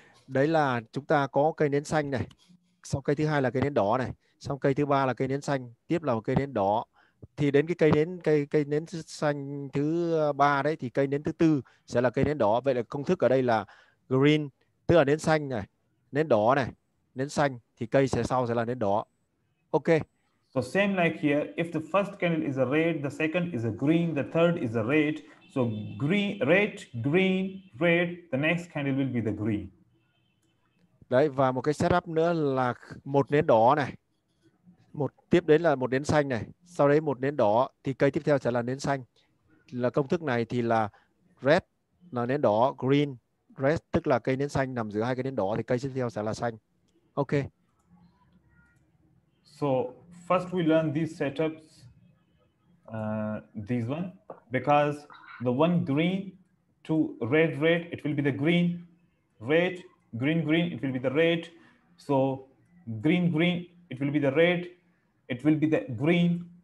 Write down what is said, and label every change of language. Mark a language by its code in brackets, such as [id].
[vi] Đấy là chúng ta có cây nến xanh này, xong cây thứ hai là cây nến đỏ này, xong cây thứ ba là cây nến xanh, tiếp là một cây nến đỏ. Thì đến cái cây nến xanh thứ ba đấy thì cây nến thứ tư sẽ là cây nến đỏ. Vậy là công thức ở đây là green tức là nến xanh này, nến đỏ này, nến xanh thì cây sẽ sau sẽ là nến đỏ. [en] Ok. So same like here, if the first candle is a red, the second is a green, the third is a red. So green, red, green, red, the next candle will be the green. [vi] Đấy, và một cái setup nữa là một nến đỏ này. Một tiếp đến là một nến xanh này. Sau đấy một nến đỏ thì cây tiếp theo sẽ là nến xanh. Là công thức này thì là red là nến đỏ, green red tức là cây nến xanh nằm giữa hai cây nến đỏ thì cây tiếp theo sẽ là xanh. [en] Ok. So first we learn these setups, these one, because the one green to red, red, it will be the green, red, green, green, it will be the red. So green, green, it will be the red, it will be the green.